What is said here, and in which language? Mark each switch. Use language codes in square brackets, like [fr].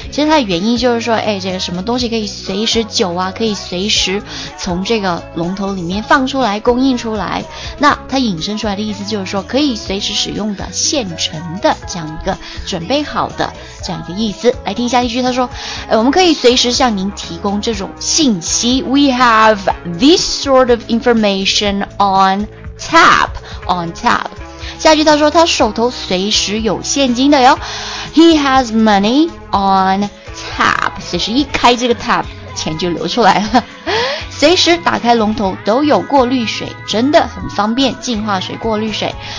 [zh] 其实它的原因就是说，这个什么东西可以随时酒啊，可以随时从这个龙头里面放出来供应出来。那它引申出来的意思就是说，可以随时使用的现成的这样一个准备好的这样一个意思。来听一下例句，他说，我们可以随时向您提供这种信息。 [en] We have this sort of information on tap, on tap. [zh] 下句他说他手头随时有现金的哟。 [en] He has money on tap. [zh] 随时一开这个 tap, 钱就流出来了。随时打开龙头都有过滤水，真的很方便，净化水过滤水。